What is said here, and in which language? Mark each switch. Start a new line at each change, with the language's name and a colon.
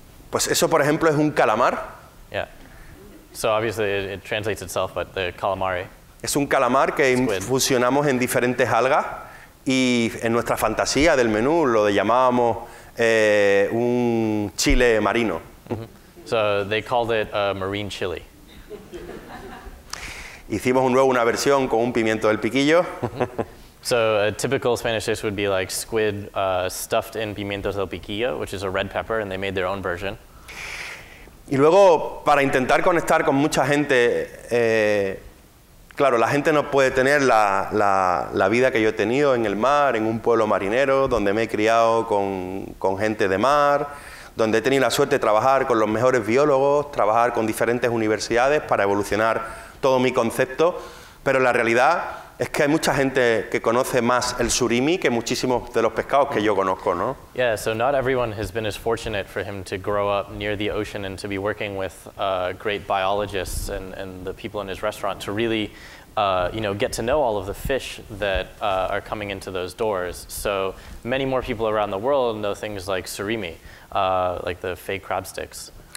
Spanish: Pues eso, por ejemplo, es un calamar. Yeah.
English: So obviously it translates itself, but the calamari.
Spanish: Es un calamar que infusionamos en diferentes algas y en nuestra fantasía del menú lo llamábamos un chile marino.
English: So they called it a marine chili.
Spanish: Hicimos luego una versión con un pimiento del piquillo.
English: So a typical Spanish dish would be like squid stuffed in pimientos del piquillo, which is a red pepper, and they made their own version.
Spanish: Y luego, para intentar conectar con mucha gente, claro, la gente no puede tener la vida que yo he tenido en el mar, en un pueblo marinero, donde me he criado con gente de mar, donde he tenido la suerte de trabajar con los mejores biólogos, trabajar con diferentes universidades para evolucionar todo mi concepto. Pero la realidad es que hay mucha gente que conoce más el surimi que muchísimos de los pescados que yo conozco, ¿no?
English: Yeah, so not everyone has been as fortunate for him to grow up near the ocean and to be working with great biologists and the people in his restaurant to really, you know, get to know all of the fish that are coming into those doors. So many more people around the world know things like surimi, like the fake crab sticks.